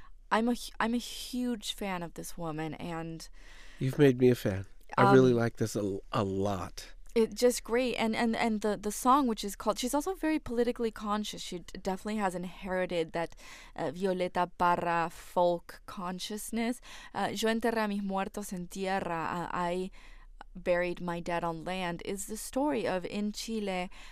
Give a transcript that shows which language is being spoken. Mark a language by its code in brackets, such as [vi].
[en] I'm a huge fan of this woman, and you've made me a fan. I really like this a lot. It's just great, and the song, which is called, she's also very politically conscious. She definitely has inherited that Violeta Parra folk consciousness. [es] Yo enterré a mis muertos en tierra. [en] I buried my dead on land is the story of in Chile.